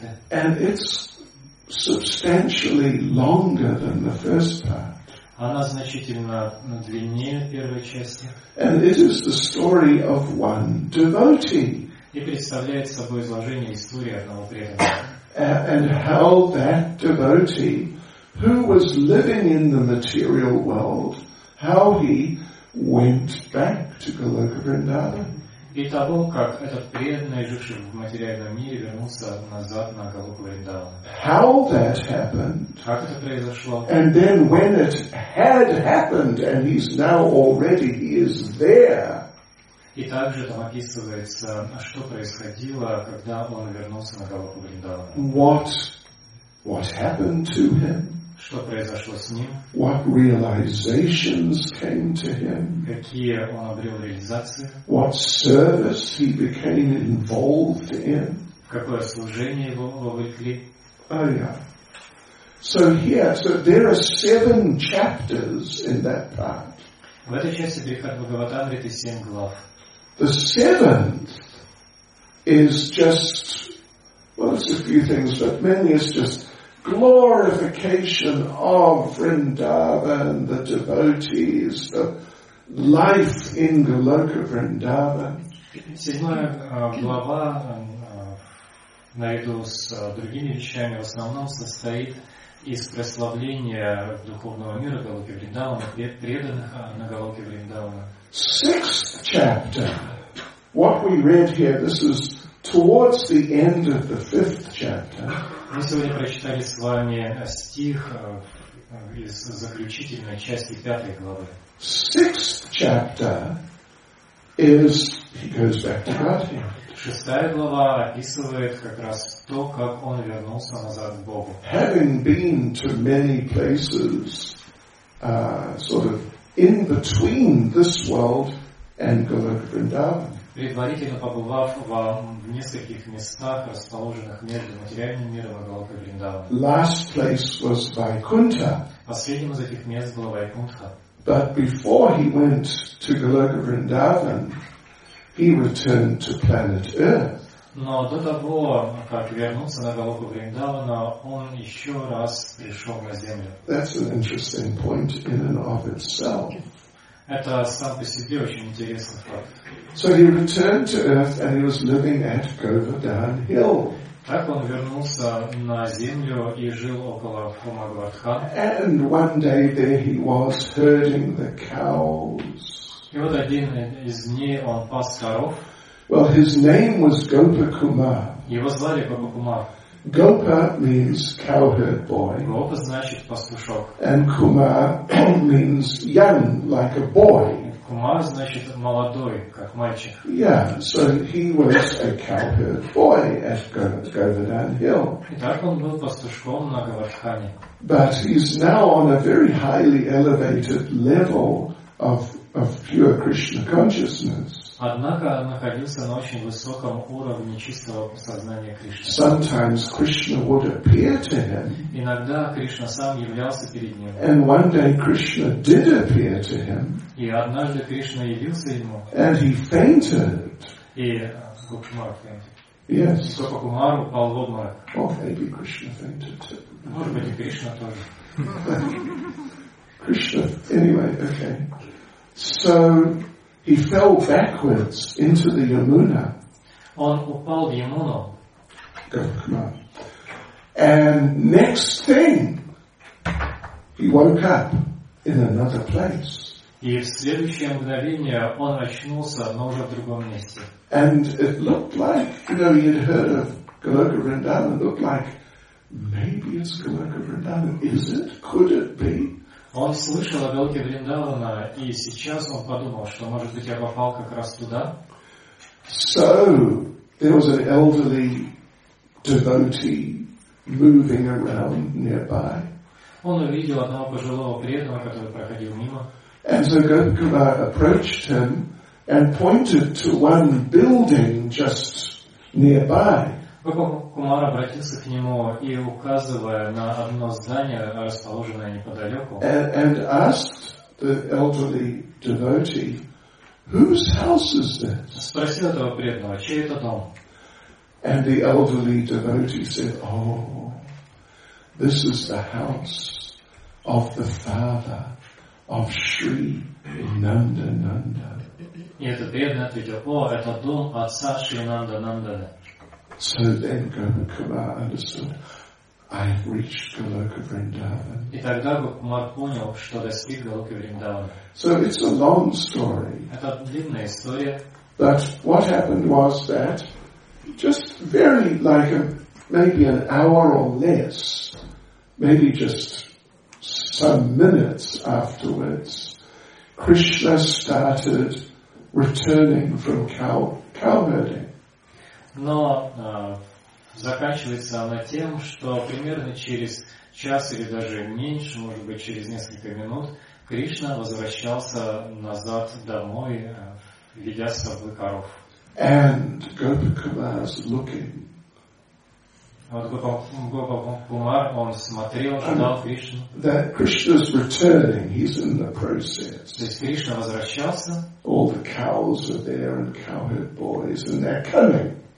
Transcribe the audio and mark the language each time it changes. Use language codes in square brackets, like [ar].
[en] And it's substantially longer than the first part. And it is the story of one devotee. [ru] И представляет собой изложение истории одного преданного. [en] And how that devotee, who was living in the material world, how he went back to Goloka Vrindavan. [ru] И того, как этот преданный, живший в материальном мире, вернулся назад на Голоку Вриндаван. [en] How that happened. [ru] Как это произошло. [en] And then when it had happened, and he's now already, he is there. [ru] И также там описывается, что происходило, когда он вернулся на Голоку Вриндавана. [en] What happened to him? [ru] Что произошло с ним? [en] What realizations came to him? [ru] Какие он обрел реализации? [en] What service he became involved in? [ru] В какое служение его вовлекли? [en] Oh, yeah. So here, so there are 7 chapters in that part. [ru] В этой части Брихад-Бхагаватамриты 7 глав. [en] The seventh is just, well, it's a few things, but mainly it's just glorification of Vrindavan, the devotees, the life in Goloka Vrindavan. [ru] Седьмая глава, наряду с другими вещами, в основном состоит из прославления духовного мира Голоки Вриндавана, преданных на Голоке Вриндавана. [en] Sixth chapter. What we read here, this is towards the end of the fifth chapter. [ru] Мы сегодня прочитали с вами стих из заключительной части пятой главы. [en] Sixth chapter is he goes back to Godhead. [ru] Шестая глава описывает как раз то, как он вернулся назад к Богу. [en] Having been to many places, sort of in between this world and Goloka Vrindavan. [ru] Предварительно побывав в нескольких местах, расположенных между материальным миром и Голокой Вриндаваном. [en] Last place was Vaikuntha. [ru] Последним из этих мест было Вайкунтха. [en] But before he went to Goloka Vrindavan, he returned to planet Earth. [ru] Но до того, как вернулся на Голоку Вриндавана, он еще раз пришел на Землю. [en] That's an interesting point in and of itself. [ru] Это сам по себе очень интересный факт. [en] So he returned to Earth and he was living at Govardhan Hill. [ru] Так он вернулся на Землю и жил около Хома Говардхан. [en] And one day there he was herding the cows. [ru] И вот один из дней он пас коров. [en] Well, his name was Gopakumar. [ru] Его звали Гопакумар. [en] Gopa means cowherd boy. [ru] Гопа значит пастушок. [en] And Kumar means young, like a boy. [ru] Кумар значит молодой, как мальчик. [en] Yeah, so he was a cowherd boy at Govardhan Hill. [ru] Итак, он был пастушком на Говардхане. [en] But he's now on a very highly elevated level of pure Krishna consciousness. [ru] Однако находился на очень высоком уровне чистого сознания Кришны. [en] Sometimes Krishna would appear to him. [ru] Иногда Кришна сам являлся перед ним. [en] And one day Krishna did appear to him. [ru] И однажды Кришна явился ему. [en] And he fainted. [ru] И Гопакумар [en] Yes. [ru] Sopa Kumar упал в обморок. [en] Or maybe Krishna fainted too. [ru] Может быть, и Кришна тоже. [en] Krishna. Anyway, okay. So he fell backwards into the Yamuna. [ru] Он упал в Ямуну. [en] And next thing, he woke up in another place. [ru] И в следующее мгновение он очнулся, но уже в другом месте. [en] And it looked like, you know, he had heard of Goloka Vrindavan. It looked like maybe it's Goloka Vrindavan. Is it? Could it be? [ru] Он слышал о Голоке Вриндавана, и сейчас он подумал, что, может быть, я попал как раз туда. [en] So there was an elderly devotee moving around nearby. [ru] Он увидел одного пожилого преданного, который проходил мимо. [en] And so Gopikumā approached him and pointed to one building just nearby. [ru] Гопикумар обратился к нему и указывая на одно здание, расположенное неподалеку. [en] And asked the elderly devotee, "Whose house is this?" [ru] Спросил этого преданного, чей это дом? [en] And the elderly devotee said, "Oh, this is the house of the father of Sri Nanda Nanda." [ru] И этот преданный ответил, "О, это дом отца Шри Нанда Нанда." [en] So then Gopikumā understood, "I have reached Goloka Vrindavan." [ru] И тогда Гопикумар понял, что достиг Голоки Вриндавана. [en] So it's a long story. [ru] Это длинная история. [en] But what happened was that just very like a, maybe an hour or less, maybe just some minutes afterwards, Krishna started returning from cow herding. [ru] Но заканчивается она тем, что примерно через час или даже меньше, может быть, через несколько минут, Кришна возвращался назад домой, ведя с собой коров. [en] And Gopikumā is looking. [ru] Вот Гопикумар, он смотрел, ждал Кришну. [en] That Krishna's returning, he's in the process. [ru] То есть Кришна возвращался. [en] All the cows are there and cowherd boys, and they're coming.